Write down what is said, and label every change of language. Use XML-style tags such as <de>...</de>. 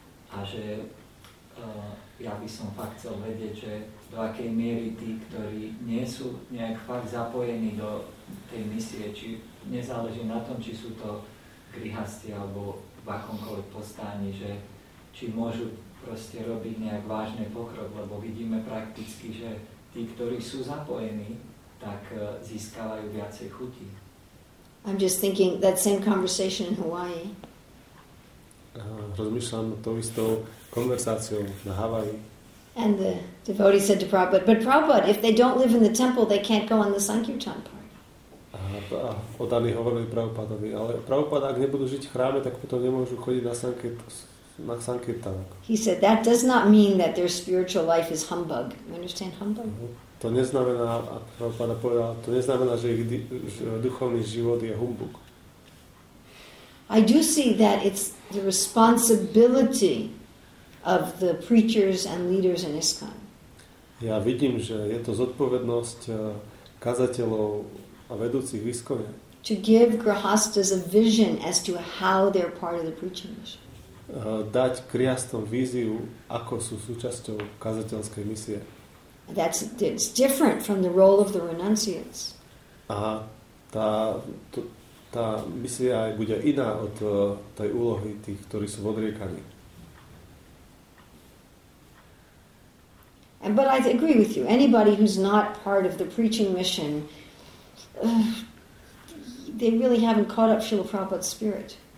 <sk>A že ja by som fakt chcel vedieť, že do akej miery tí, ktorí nie sú nejak fakt zapojení do tej misie, či nezáleží na tom, či sú to grihasti alebo v akomkoľvek postáni, že či môžu proste robiť nejak vážny pokrok, lebo vidíme prakticky, že tí, ktorí sú zapojení, tak získavajú viacej chuti.</sk> <en>I'm just thinking that same conversation in Hawaii.</en> <sk>Rozmýšľam tou istou konverzáciou na Havaji.</sk> <en>And the devotee said to Prabhupada, but Prabhupada, if they don't live in the temple, they can't go on the Sankirtan part.</en> <sk>A o daní hovorili Prabhupadovi, ale Prabhupada, ak nebudú žiť v chráme, tak potom nemôžu chodiť na Sankirtan.</sk> <en>He said, that does not mean that their spiritual life is humbug. You understand humbug?</en> <sk>To neznamená, a Prabhupada povedal, to neznamená, že ich duchovný život je humbug.</sk> <en>I do see that it's the responsibility of the preachers and leaders in ISKCON.</en> <sk>Ja vidím, že je to zodpovednosť kazateľov a vedúcich v ISKCONe.</sk> <en>To give grihastas a vision as to how they're part of the preaching mission.</en> <sk>dať kriastom víziu, ako sú súčasťou kazateľskej misie.</sk> <en>That's it's different from the role of the renunciates.</en> <sk>A tá misia aj bude iná od tej úlohy tých, ktorí sú v odriekaní.</sk> <en>And but I agree with you. Anybody who's not part of the preaching mission, they really haven't caught up Srila Prabhupada's spirit.</en>